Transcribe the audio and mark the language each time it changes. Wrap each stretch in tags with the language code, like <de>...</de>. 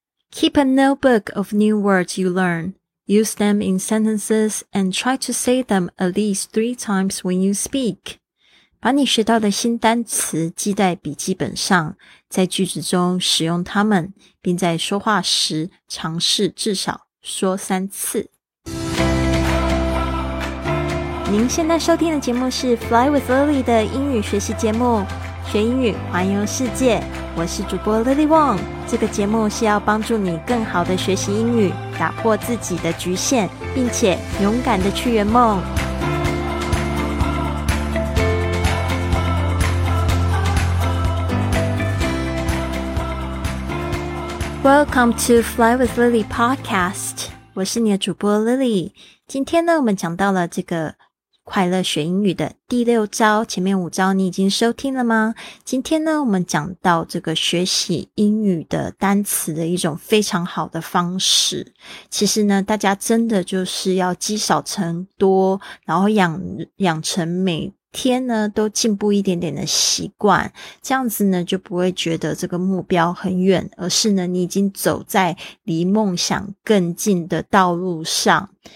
<en>Keep a notebook of new words you learn. Use them in sentences and try to say them at least 3 times when you speak.</en> <zh>把你学到的新单词记在笔记本上，在句子中使用它们，并在说话时尝试至少说3次。您现在收听的节目是 Fly with Lily 的英语学习节目，学英语环游世界，我是主播 Lily Wong。这个节目是要帮助你更好的学习英语，打破自己的局限，并且勇敢的去圆梦。</zh> <en>Welcome to Fly with Lily Podcast.</en> <zh>我是你的主播 Lily. 今天呢，我们讲到了这个快乐学英语的第6招，前面5招你已经收听了吗？今天呢，我们讲到这个学习英语的单词的一种非常好的方式。其实呢，大家真的就是要积少成多，然后养成每天呢都进步一点点的习惯，这样子呢就不会觉得这个目标很远，而是呢你已经走在离梦想更近的道路上。</zh>